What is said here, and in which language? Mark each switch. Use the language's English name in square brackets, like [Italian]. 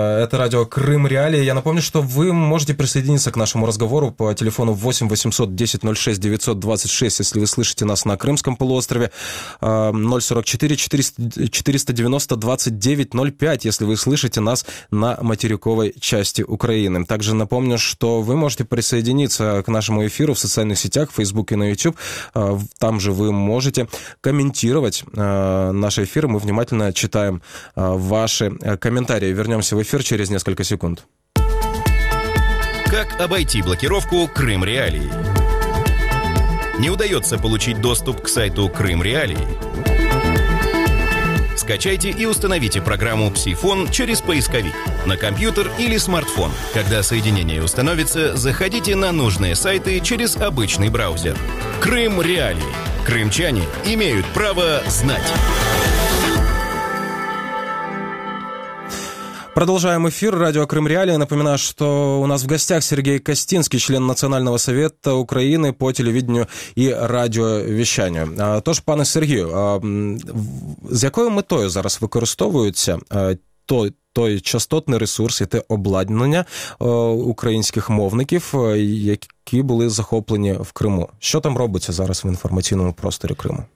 [Ukrainian] Це радіо Крим Реалії. Я напомню, що ви можете [Russian] присоединиться к [Ukrainian] нашому розговору по телефону 8 800 10 06 926, якщо ви [Russian] слышите [Ukrainian] нас на Кримському полуострові, 044-490-2905, якщо ви слышите нас на материковій часті України. Також напомню, що ви можете [Russian] присоединиться к [Ukrainian] нашому ефіру в соціальних [Russian] сетях, в Фейсбуке и [Ukrainian] на YouTube. [Russian] Там же вы можете комментировать наши эфиры. Мы внимательно читаем ваши комментарии. Вернемся в эфир через несколько секунд. Как обойти блокировку Крым Реалии? Не удается получить доступ к сайту Крым Реалии? Скачайте и установите программу Псифон через поисковик на компьютер или смартфон. Когда соединение установится, заходите на нужные сайты через обычный браузер. Крым Реалии. Крымчане имеют право знать. Продолжаем эфир «Радио Крым Реалии». Напоминаю, что у нас в гостях Сергей Костинский, член Национального совета Украины по телевидению и радиовещанию. [Ukrainian] Тож, пане Сергію, з якою метою зараз використовується той частотний ресурс і те обладнання українських мовників, які були захоплені в Криму? Що там робиться зараз в інформаційному просторі Криму?